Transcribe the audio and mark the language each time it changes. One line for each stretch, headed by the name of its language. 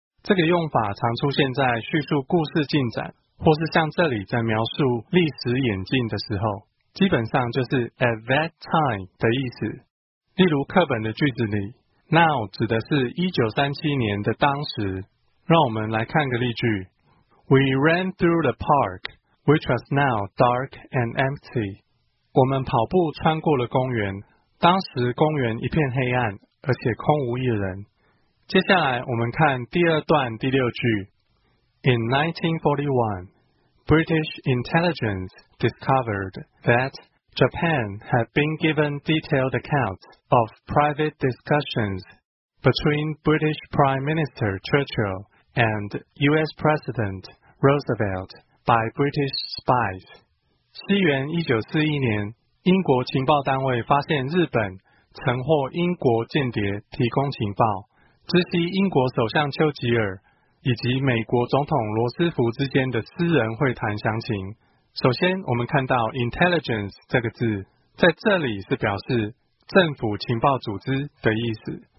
Chinese: 这个用法常出现在叙述故事进展，或是像这里在描述历史演进的时候，基本上就是
English: at that time
Chinese: 的意思。例如课本的句子里 ，now 指的是1937年的当时。让我们来看个例句
English: ：We ran through the park, which was now dark and empty.
Chinese: 我们跑步穿过了公园，当时公园一片黑暗，而且空无一人。接下来我们看第二段第六句
English: In 1941, British intelligence discovered that Japan had been given detailed accounts of private discussions between British Prime Minister Churchill and US President Roosevelt by British spies.
Chinese: 西元1941年，英国情报单位发现日本曾获英国间谍提供情报，知悉英国首相丘吉尔以及美国总统罗斯福之间的私人会谈详情。首先，我们看到 intelligence 这个字，在这里是表示政府情报组织的意思。